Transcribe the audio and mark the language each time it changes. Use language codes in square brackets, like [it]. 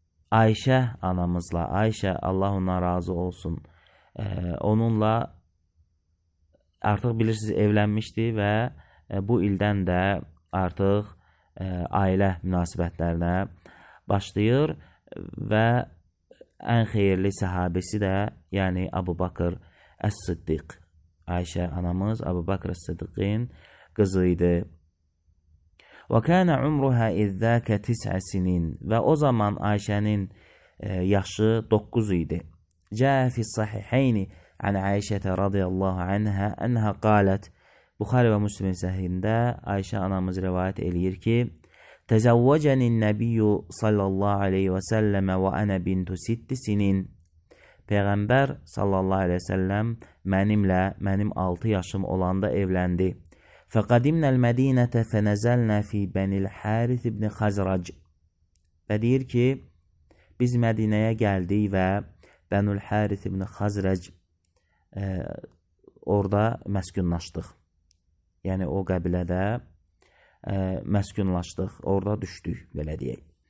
[az] Ayşə anamızla, Ayşə Allah ondan razı olsun, onunla artıq bilirsiniz evlənmişdi və bu ildən də artıq ailə münasibətlərinə başlayır və ən xeyirli səhabisi də, yəni Əbu Bəkr Əs-Siddiq, Ayşə anamız Əbu Bəkr Əs-Siddiqin qızı idi. [ar] وَكَانَ عُمْرُهَا اِذَّاكَ تِسْعَ سِنِينَ [az] Və o zaman Ayşənin yaşı 9 idi. [ar] جَاءَ فِي الصَّحِحَيْنِ عَنْ عَيْشَةَ رَضِيَ اللّٰهُ عَنْهَا اَنْهَا قَالَتْ [az] Buxari və Müslümin səhrində Ayşə anamız rivayət eləyir ki: [ar] تَزَوَّجَنِ النَّبِيُّ صَلَّى اللّٰهُ عَلَيْهِ وَسَلَّمَ وَأَنَا بِنْتُ سِتِّ سِنِينَ [az] Peyğəmbər sallallahu aleyhi ve sellem mənimlə, mənim 6 yaşım olanda evləndi. [ar] فَقَدِمْنَا الْمَد۪ينَةَ فَنَزَلْنَا ف۪ي بَنِ الْحَارِثِ بْنِ خَزْرَجِ [az] Və deyir ki, biz Mədinəyə gəldik və Bənül Hərith ibn-i Xəzrəc orada məskunlaşdıq. Yəni, o qəbilədə məskunlaşdıq, orada düşdük, belə deyək.